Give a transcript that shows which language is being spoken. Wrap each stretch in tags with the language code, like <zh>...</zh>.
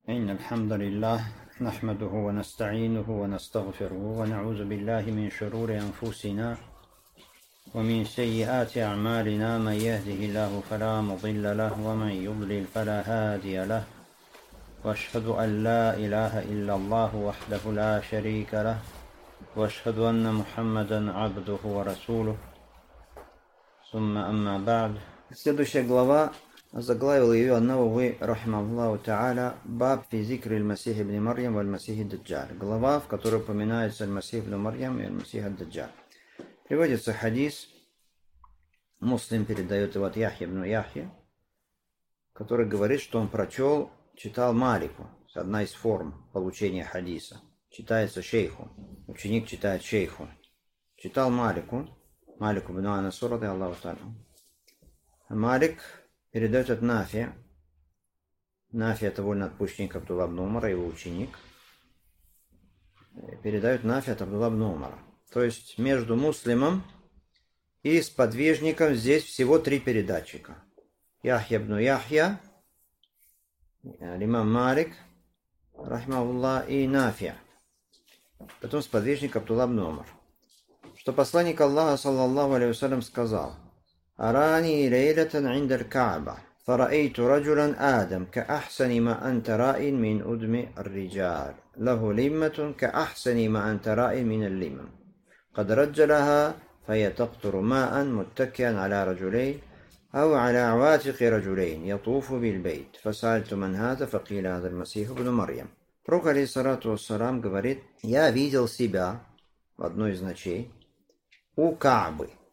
<ar>إن الحمد لله نحمده ونستعينه ونستغفره ونعوذ بالله من شرور أنفسنا ومن سيئات أعمالنا، من يهده الله فلا مضل له ومن يضلل فلا هادي له، وأشهد أن لا إله إلا الله وحده لا شريك له، وأشهد أن محمدا عبده ورسوله. ثم أما بعد،</ar> <ru>следующая глава заглавил ее одного вы, рахмаллаху та'аля, «Баб фи зикр аль-Масих ибн Марьям валь-Масих ад-Даджаль». Глава, в которой упоминается аль-Масих ибн Марьям и аль-Масих ад-Даджаль. Приводится хадис, муслим передает его от Яхья ибн Яхья, который говорит, что он прочел, читал Малику, одна из форм получения хадиса. Читается шейху, ученик читает шейху. Читал Малику, Малику ибн Анасу ради Аллаху та'аля. Малик передает от Нафи. Нафи это вольноотпущенник Абдулла ибн Умара, его ученик. Передает Нафи от Абдулла ибн Умара. То есть между муслимом и сподвижником здесь всего три передатчика. Яхья ибн Яхья, имам Малик, рахмаллах, и Нафи. Потом сподвижник Абдулла ибн Умар. Что посланник Аллаха, саллаллаху алейхи ва саллям, сказал:</ru> <ar>أراني ليلة عند الكعبة فرأيت رجلا آدم كأحسن ما أنت رأي من أدم الرجال له لمة كأحسن ما أنت رأي من اللمم قد رجلها فهي تقطر ماء متكئا على رجلين أو على عواتق رجلين يطوف بالبيت فسألت من هذا فقيل هذا المسيح ابن مريم روك عليه الصلاة والسلام</ar> <ru>говорит Я видел себя в одной из ночей у Каабы.</ru>